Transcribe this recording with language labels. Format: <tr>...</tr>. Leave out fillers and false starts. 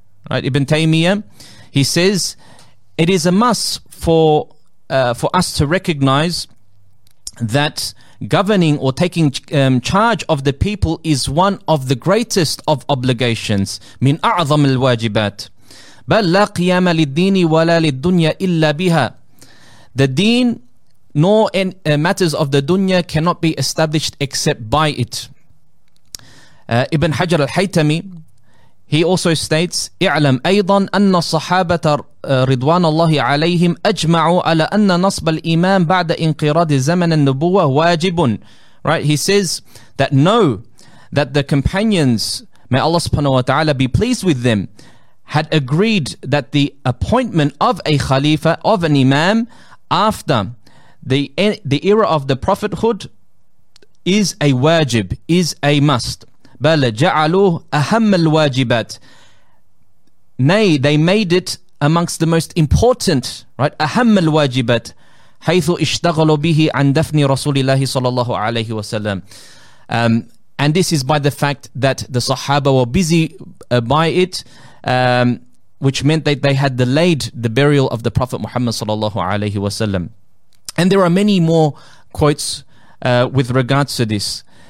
<en>Right, Ibn Taymiyyah, he says, it is a must for us to recognize that governing or taking charge of the people is one of the greatest of obligations.</en> <ar>مِنْ أَعْظَمِ الْوَاجِبَاتِ بَلْ لَا قِيَامَ لِلدِّينِ وَلَا لِلدُّنْيَا إِلَّا بِهَا.</ar> <en>The deen nor in matters of the dunya cannot be established except by it. Ibn Hajar al-Haytami, he also states,</en> <ar>اعلم ايضا ان الصحابة رضوان الله عليهم اجمعوا على ان نصب الامام بعد انقراض زمن النبوة واجب.</ar> <en>Right, he says that know that the companions, may Allah subhanahu wa ta'ala be pleased with them, had agreed that the appointment of a khalifa, of an imam, after the era of the prophethood is a wajib, is a must.</en> <ar>بل جعلوه أهم الواجبات.</ar> <en>Nay, they made it amongst the most important, right?</en> <ar>أهم الواجبات حيث اشتغلوا به عن دفن رسول الله صلى الله عليه وسلم.</ar> <en>And this is by the fact that the Sahaba were busy by it, which meant that they had delayed the burial of the Prophet Muhammad sallallahu alaihi wasallam. And there are many more quotes with regards to this.</en>